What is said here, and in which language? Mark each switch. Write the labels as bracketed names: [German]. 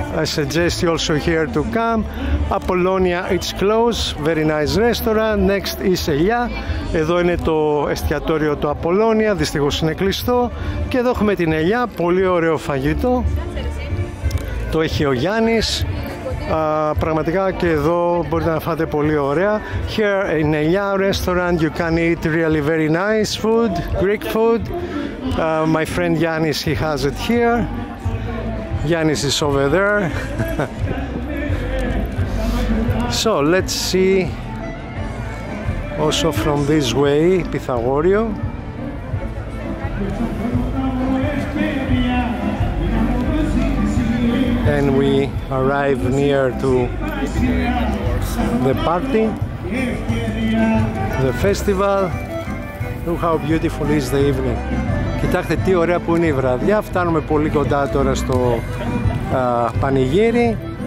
[English] I suggest you also here to come. Apollonia, it's closed, very nice restaurant. Next is [Greek] Ελιά, εδώ είναι το εστιατόριο του Apollonia, δυστυχώς είναι κλειστό. Και εδώ έχουμε την Ελιά, πολύ ωραίο φαγητό. Το έχει ο Γιάννης. Πραγματικά και εδώ μπορείτε να φάτε πολύ ωραία. [English] Here in Ελιά restaurant you can eat really very nice food, Greek food. My friend Yannis, he has it here. Yannis is over there. So let's see also from this way, Pythagorio. And we arrive near to the party, the festival. Look how beautiful is the evening. [Greek] Κοιτάξτε τι ωραία που είναι η βραδιά. Φτάνουμε πολύ κοντά τώρα στο πανηγύρι.